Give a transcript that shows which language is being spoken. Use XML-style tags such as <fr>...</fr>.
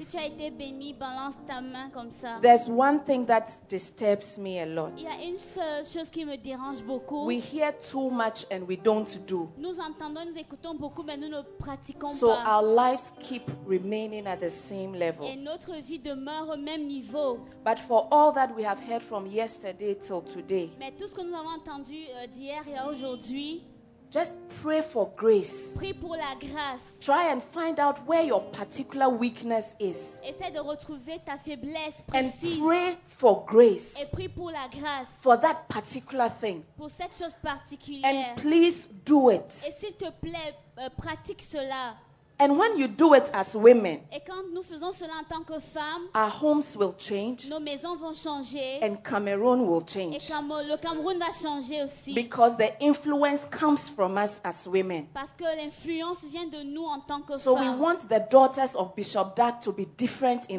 <fr>Si tu as été béni, balance ta main comme ça.</fr> <en>There's one thing that disturbs me a lot.</en> <fr>Il y a une seule chose qui me dérange beaucoup.</fr> <en>We hear too much and we don't do.</en> <fr>Nous entendons, nous écoutons beaucoup, mais nous ne pratiquons</fr> <en>so</en> <fr>pas.</fr> <en>So our lives keep remaining at the same level.</en> <fr>Et notre vie demeure au même niveau.</fr> <en>But for all that we have heard from yesterday till today.</en> <fr>Mais tout ce que nous avons entendu d'hier et aujourd'hui.</fr> <en>Just pray for grace.</en> <fr>Prie pour la grâce.</fr> <en>Try and find out where your particular weakness is.</en> <fr>Essaie de retrouver ta faiblesse précise.</fr> <en>And pray for grace.</en> <fr>Et prie pour la grâce.</fr> <en>For that particular thing.</en> <fr>Pour cette chose particulière.</fr> <en>And please do it.</en> <fr>Et s'il te plaît, pratique cela.</fr> <en>And when you do it as women,</en> <fr>et quand nous faisons cela en tant que femmes,</fr> <en>our homes will change.</en> <fr>Nos maisons vont changer.</fr> <en>And Cameroon will change.</en> <fr>Et le Cameroun va changer aussi.</fr> <en>Because the influence comes from us as women.</en> <fr>Parce que l'influence vient de nous en tant que</fr> <en>so</en> <fr>femmes.</fr> <en>We want the daughters of Bishop Dag to be different in</en>